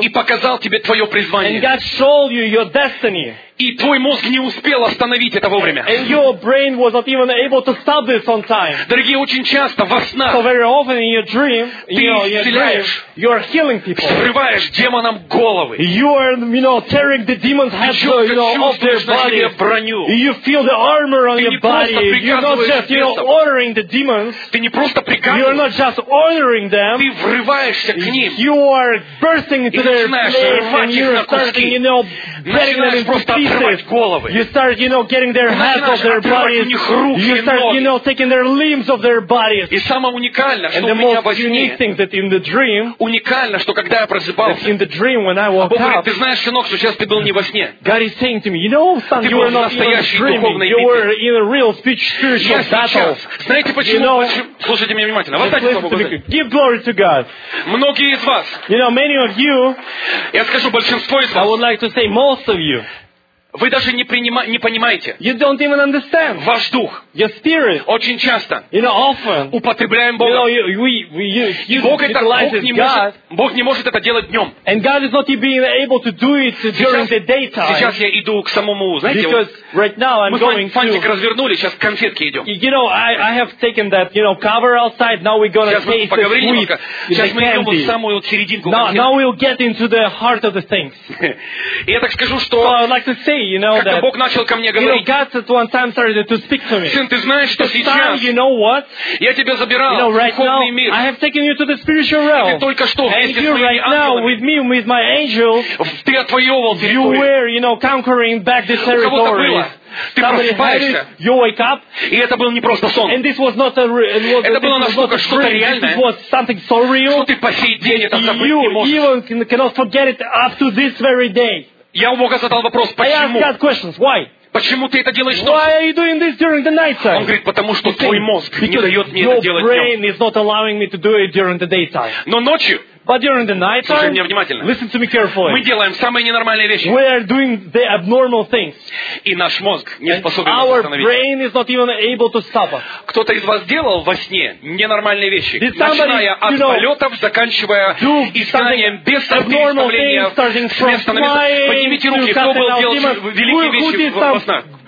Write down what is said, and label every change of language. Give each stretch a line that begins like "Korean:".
Russian: и показал тебе твое призвание.
English: And God showed you your destiny.
Russian: И твой мозг не успел остановить это вовремя.
English: And your brain was not even able to stop this on time.
Russian: Дорогие, очень часто во снах
English: so very often in your dream,
Russian: ты исцеляешь,
English: you are healing people.
Russian: Срываешь демонам головы.
English: You are, you know, tearing the demons' heads, you know, off their body. You feel the armor on your body. You're not just, you know, ordering the demons.
Russian: Ты не просто приказываешь.
English: You're not just ordering them.
Russian: Ты врываешься к ним.
English: You are bursting into their place and you're starting, you know, getting them into pieces. You start, you know, getting their heads off their bodies. You start, you know, taking their limbs off their bodies.
Russian: И самое уникальное, что
English: and the most unique thing that in the dream,
Russian: уникально, что когда я просыпался,
English: in the dream when I woke
Russian: Бог говорит, ты знаешь, сынок, что сейчас ты был не во сне.
English: God is saying to me, you know, son, you were not even dreaming. You were in a real spiritual battle.
Russian: Знаете почему?
English: You know,
Russian: слушайте меня внимательно. Вот так я
English: give glory to God.
Russian: Многие из вас,
English: you know, many of you,
Russian: я скажу большинство из вас,
English: I would like to say most of you,
Russian: вы даже не понимаете.
English: You don't even understand.
Russian: Ваш дух.
English: Your spirit.
Russian: Очень часто.
English: You know, often.
Russian: Употребляем Бога.
English: You know, you
Russian: Бог это Бог не может. Бог не может это делать днем.
English: And God is not even able to do it during the daytime.
Russian: Сейчас я иду к самому, знаете,
English: because
Russian: вот,
English: right now I'm going
Russian: фантик
English: to.
Russian: Мы развернули, сейчас к конфетке идем.
English: You know, I have taken that, you know, cover outside. Now we're gonna
Russian: сейчас
English: taste the sweet.
Russian: Сейчас мы идем вот в самую вот серединку.
English: Now we'll get into the heart of the things.
Russian: И я так скажу, что
English: so I'd like to say, you know,
Russian: когда
English: that,
Russian: Бог начал ко мне говорить,
English: you know, God at one time started to speak to me.
Russian: Сын, ты знаешь, что
English: this
Russian: сейчас
English: time, you know what?
Russian: Я тебя забирал,
English: you know, right
Russian: в духовный
English: now,
Russian: мир.
English: I have taken you to the spiritual realm.
Russian: И ты только что вместе
English: and
Russian: с моими
English: right
Russian: ангелами,
English: with me, with my angels,
Russian: ты отвоевал
English: you were, you know, conquering back the territory.
Russian: Ты просыпаешься, и это был не просто сон. Это было настолько что-то реальное,
English: so real,
Russian: что ты по сей день это забыть не можешь.
English: You cannot forget it up to this very day.
Russian: Я у Бога задал вопрос, почему?
English: I asked questions, why?
Russian: Почему ты это делаешь ночью?
English: Why are you doing this during the night time?
Russian: Он говорит, потому что твой мозг не дает мне
English: your
Russian: это делать
English: brain
Russian: днем.
English: Is not allowing me to do it during the daytime.
Russian: Но ночью.
English: But during the night time, listen to me carefully.
Russian: Мы делаем самые ненормальные вещи.
English: We are doing the abnormal things.
Russian: И наш мозг не способен
English: our brain is not even able to stop us.
Russian: Кто-то из вас делал во сне ненормальные вещи,
English: did somebody,
Russian: начиная от
English: you know,
Russian: полетов, заканчивая изгнанием без сопротивления с места на место. Поднимите руки, кто был делал великие вещи во снах.